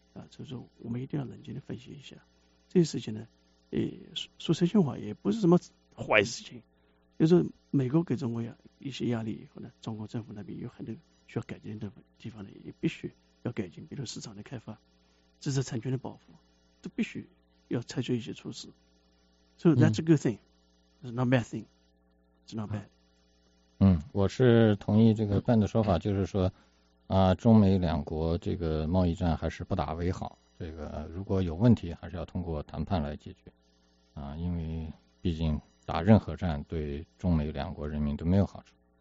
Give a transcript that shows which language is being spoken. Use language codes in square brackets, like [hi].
[zh] 所以说我们一定要冷静的分析一下这些事情呢。说真心话也不是什么坏事情，就是美国给中国一些压力以后呢，中国政府那边有很多需要改进的地方呢，也必须要改进，比如市场的开发、知识产权的保护，都必须要采取一些措施。 [en] So that's a good thing, it's not a bad thing, it's not bad. [zh] 嗯，我是同意这个Ben的说法，就是说，中美两国这个贸易战还是不打为好。这个如果有问题还是要通过谈判来解决因为毕竟打任何战对中美两国人民都没有好处。